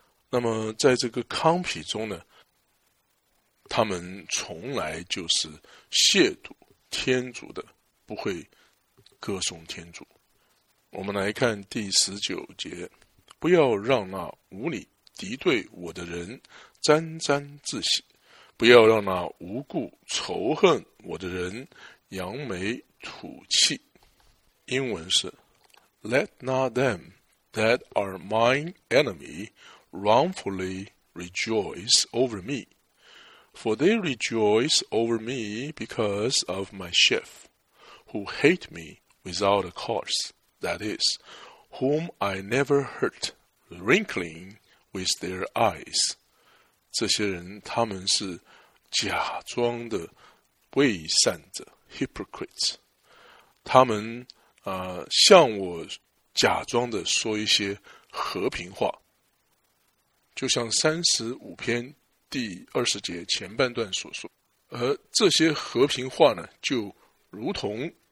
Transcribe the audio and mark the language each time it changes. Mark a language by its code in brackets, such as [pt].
[zh] 那么在这个糠皮中呢，他们从来就是亵渎天主的，不会歌颂天主。我们来看第19节，不要让那无理敌对我的人沾沾自喜，不要让那无故仇恨我的人扬眉吐气。英文是 [en] Let not them that are mine enemy wrongfully rejoice over me, for they rejoice over me because of my chief, who hate me without a cause, that is, whom I never hurt, wrinklingwith their eyes. [zh] 这些人他们是假装的伪善者 hypocrites， 他们向我假装的说一些和平话，就像35篇第20节前半段所说，而这些和平话呢就如同